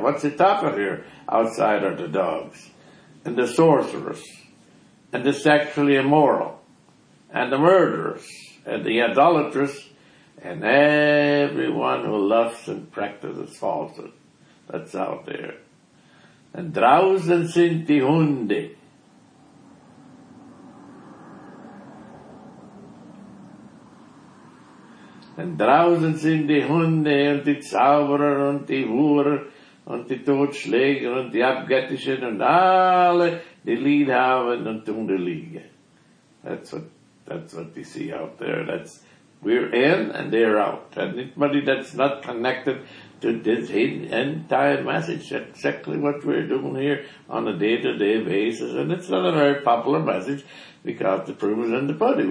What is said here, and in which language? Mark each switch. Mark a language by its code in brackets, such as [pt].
[en] What's the top of here? Outside are the dogs and the sorcerers and the sexually immoral and the murderers and the idolaters and everyone who loves and practices falsehood that's out there. [de] And draußen sind die Hunde. Und draußen sind die Hunde und die Zauberer und die Huren und die Totschläger und die Abgöttischen und alle, die Lied haben und tun die Liege. [en] That's what you see out there. That's, we're in and they're out. Anybody that's not connected to this entire message, exactly what we're doing here on a day-to-day basis. And it's not a very popular message because the proof is in the pudding.